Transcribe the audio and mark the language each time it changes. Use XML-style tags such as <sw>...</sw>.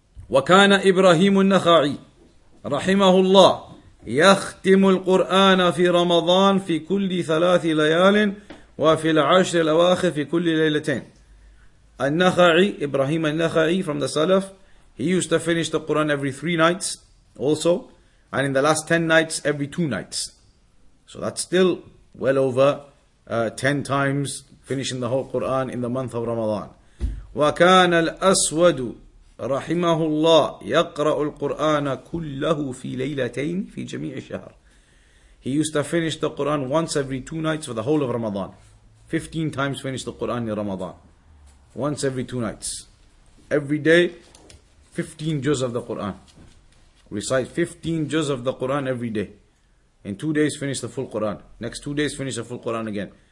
<ar>وَكَانَ إِبْرَاهِيمُ النَّخَعِي رَحِمَهُ اللَّهِ يَخْتِمُ الْقُرْآنَ فِي رَمَضَانَ فِي كُلِّ ثَلَاثِ لَيَالٍ وَفِي الْعَشْرِ الْأَوَاخِرِ فِي كُلِّ لَيْلَتَيْنِ النَّخَعِي,</ar> <en>Ibrahim al-Nakhai from the Salaf, he used to finish the Quran every 3 nights also, and in the last 10 nights, every 2 nights. So that's still well over 10 times finishing the whole Quran in the month of Ramadan.</en> <ar>وَكَانَ الْأَسْوَدُ رحمه الله يقرأ القرآن كله في ليلتين في جميع الشهر.</ar> <en>He used to finish the Quran once every 2 nights for the whole of Ramadan. 15 times finished the Quran in Ramadan. Once every 2 nights. Every day, 15 juz of the Quran. Recite 15 juz of the Quran every day. In 2 days, finish the full Quran. Next 2 days, finish the full Quran again.</en>